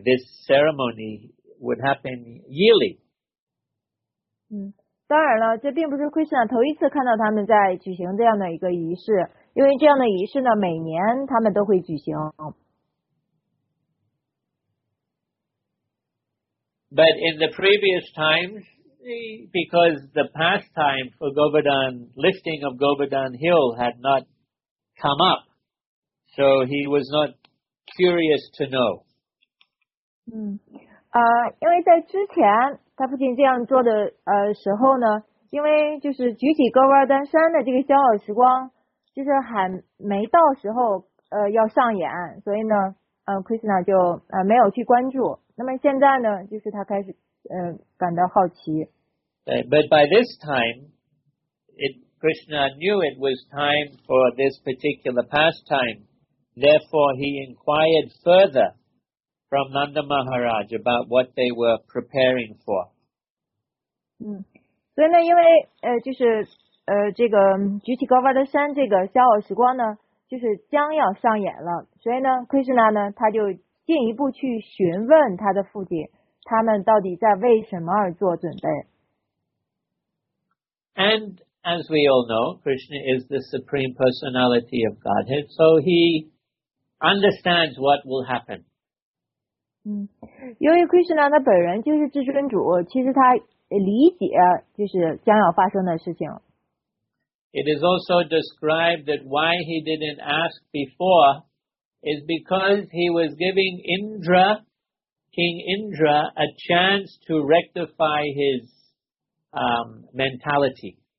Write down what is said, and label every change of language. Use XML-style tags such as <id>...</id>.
<en>This ceremony would happen yearly.</en> <zh>当然了，这并不是 Krishna 头一次看到他们在举行这样的一个仪式，因为这样的仪式呢，每年他们都会举行。 But in the previous times, because the pastime for Govardhan, lifting of Govardhan Hill had notcome up, so he was not curious to know. 因为在之前他父亲这样做的时候呢，因为就是举起戈瓦丹山的这个骄傲时光，就是还没到时候要上演，所以呢Krishna 就没有去关注。那么现在呢，就是他开始感到好奇。</zh> <en>But by this time, Krishna knew it was time for this particular pastime. Therefore, he inquired further from Nanda Maharaj about what they were preparing for.</en> <zh>所以呢，因为就是这个举起高峰的山这个骄傲时光呢，就是将要上演了。所以呢 ，Krishna 呢，他就进一步去询问他的父亲，他们到底在为什么而做准备。</zh> <en>And as we all know, Krishna is the Supreme Personality of Godhead, so he understands what will happen.</en> <zh>由于 Krishna 他本人就是至尊主，其实他理解就是将要发生的事情。</zh> <en>It is also described that why he didn't ask before is because he was giving Indra, King Indra, a chance to rectify his mentality.</en>